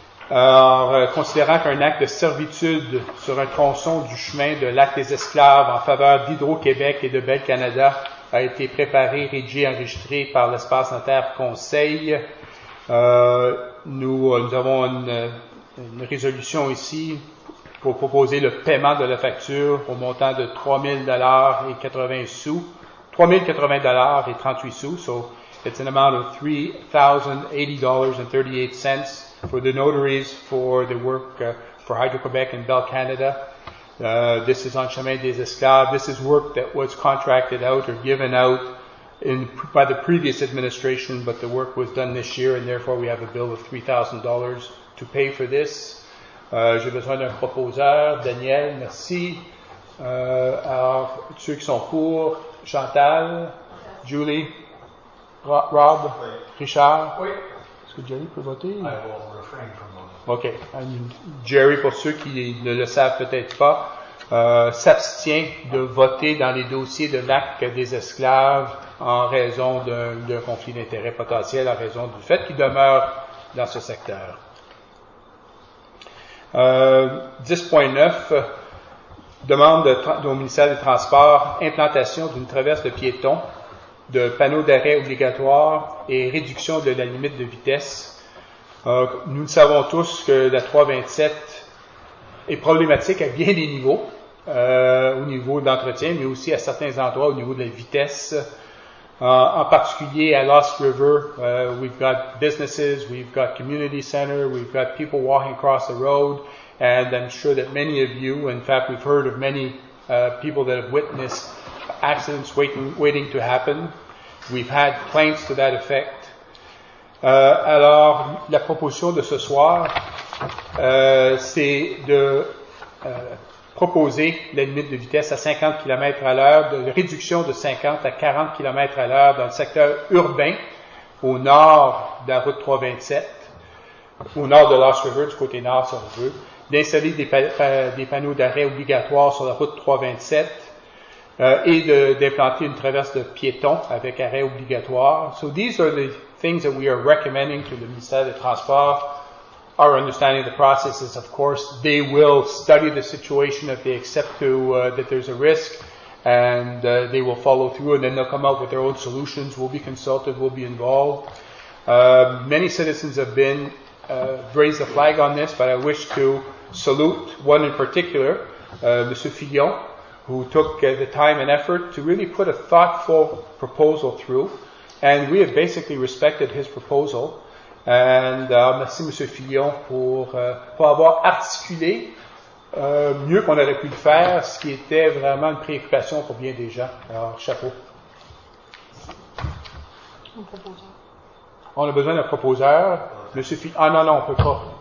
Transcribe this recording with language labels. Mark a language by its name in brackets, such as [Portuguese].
[French] Alors, considérant qu'un acte de servitude sur un tronçon du chemin de l'acte des esclaves en faveur d'Hydro-Québec et de Bell Canada a été préparé, rédigé, enregistré par l'espace notaire conseil, nous avons une résolution ici pour proposer le paiement de la facture au montant de 3,080 $ [English] and 38 cents. So, it's an amount of $3,080.38 for the notaries for the work for Hydro-Québec and Bell Canada. This is on Chemin des Esclaves. This is work that was contracted out or given out by the previous administration, but the work was done this year, and therefore we have a bill of $3,000 to pay for this. [French] J'ai besoin d'un proposeur. Daniel, merci. Alors, ceux qui sont pour, Chantal, Julie, Rob, oui. Richard. Oui. Est-ce que Jerry peut voter? [English] I will refrain from voting. OK. [French] And Jerry, pour ceux qui ne le savent peut-être pas, s'abstient de voter dans les dossiers de l'acte des esclaves en raison d'un conflit d'intérêts potentiel, en raison du fait qu'il demeure dans ce secteur. 10.9, demande au ministère des Transports, implantation d'une traverse de piétons, de panneaux d'arrêt obligatoires et réduction de la limite de vitesse. Nous le savons tous que la 327 est problématique à bien des niveaux, au niveau de l'entretien, mais aussi à certains endroits au niveau de la vitesse, en particulier à Lost River. [English] We've got businesses, we've got community center, we've got people walking across the road, and I'm sure that many of you, in fact, we've heard of many people that have witnessed accidents waiting to happen. We've had complaints to that effect. [French] Alors, la proposition de ce soir, c'est de proposer la limite de vitesse à 50 km à l'heure, de réduction de 50 à 40 km à l'heure dans le secteur urbain au nord de la route 327, au nord de Lost River, du côté nord, si on veut, d'installer des panneaux d'arrêt obligatoires sur la route 327 et d'implanter une traverse de piétons avec arrêt obligatoire. [English] So these are the things that we are recommending to the Ministère des Transports. Our understanding of the process is, of course, they will study the situation if they accept that there's a risk, and they will follow through, and then they'll come out with their own solutions. We'll be consulted, we'll be involved. Many citizens have been raised the flag on this, but I wish to salute one in particular, Monsieur Fillon, who took the time and effort to really put a thoughtful proposal through, and we have basically respected his proposal. And merci M. [French] Fillon pour avoir articulé mieux qu'on aurait pu le faire, ce qui était vraiment une préoccupation pour bien des gens. Alors, chapeau. Un proposeur. On a besoin d'un proposeur. Monsieur Fillon. Ah non, on ne peut pas.